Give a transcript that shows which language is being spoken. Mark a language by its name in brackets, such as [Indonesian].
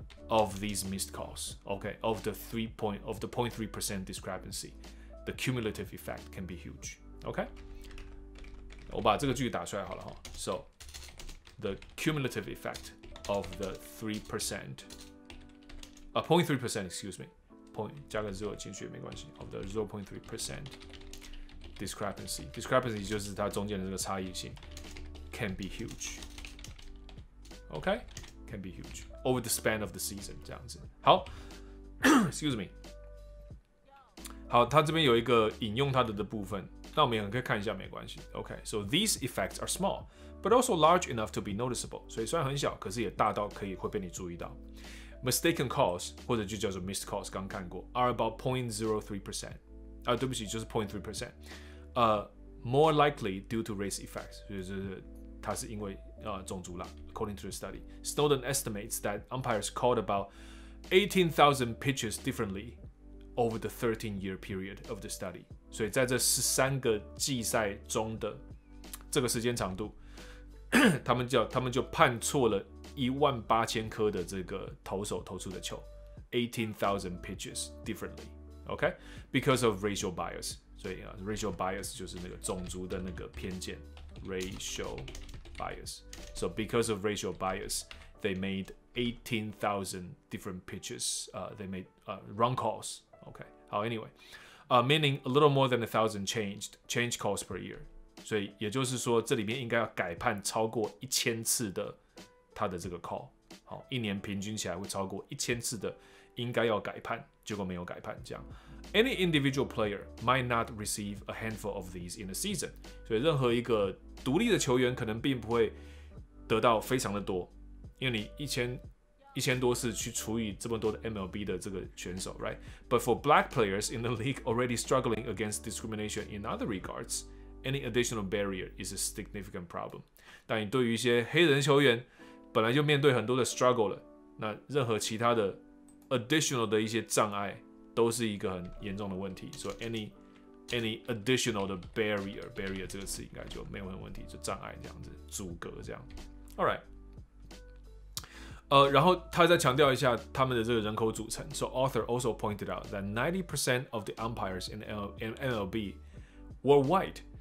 [English] Of these missed calls, okay, of the 0.3% discrepancy, the cumulative effect can be huge, okay. [Chinese] 我把这个句打出来好了哈。 [English] So, the cumulative effect of the 3%, 0.3%, excuse me, point [Chinese] 加个 [English] zero [Chinese] 进去没关系 [English] of the 0.3% discrepancy. [Chinese] Discrepancy 就是它中间的这个差异性 [English] can be huge, okay. Can be huge over the span of the season， [Chinese] 这样子。好， [English] excuse me。 [Chinese] 好，他这边有一个引用他的部分，那我们也可以看一下，没关系。 [English] Okay， so these effects are small， but also large enough to be noticeable。 [Chinese] 所以虽然很小，可是也大到可以会被你注意到。 [English] Mistaken calls， [Chinese] 或者就叫做 [English] missed calls， [Chinese] 刚看过 [English] ，are about 0.03%。 [Chinese] 啊，对不起，就是 0.3%。 [English] More likely due to race effects， [Chinese] 就是他是因为。种族啦 [English] ，according to the study, Snowden estimates that umpires called about 18,000 pitches differently over the 13-year period of the study. [Chinese] 所以在这13个季赛中的这个时间长度，他们就判错了18,000颗的这个投手投出的球 ， [English] 18,000 pitches differently. Okay, because of racial bias. [Chinese] 所以啊 [English] ，racial bias [Chinese] 就是那个种族的那个偏见 [English] ，racial。Bias. So because of racial bias, they made 18,000 different pitches. They made wrong calls. Okay. How anyway? Meaning a little more than 1,000 change calls per year. [Chinese] 所以也就是说，这里面应该要改判超过1,000次的他的这个 call. 好，一年平均起来会超过1,000次的应该要改判，结果没有改判这样。 [English] Any individual player might not receive a handful of these in a season. [Chinese] 所以任何一个独立的球员可能并不会得到非常的多，因为你一千多次去除以这么多的 MLB 的这个选手 ，right? [English] But for black players in the league already struggling against discrimination in other regards, any additional barrier is a significant problem。 [Chinese] 但你对于一些黑人球员本来就面对很多的 struggle 了，那任何其他的 additional 的一些障碍都是一个很严重的问题。所以 any additional 的 barrier 这个词应该就没有问题，就障碍这样子，阻隔这样。All right。然后他再强调一下他们的这个人口组成。 [English] So author also pointed out that 90% of the umpires in MLB were white。